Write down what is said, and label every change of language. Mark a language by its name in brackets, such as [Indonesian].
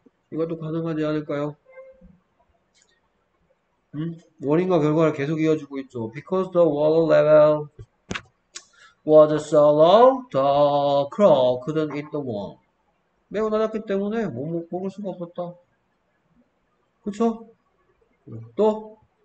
[Korean] 이것도 가능하지 않을까요? 원인과 결과를 계속 이어주고 있죠. [English] Because the water level was so low, the crow couldn't eat the worm. [Korean] 매우 낮았기 때문에 못 먹을 수가 없었다. 그쵸? 또?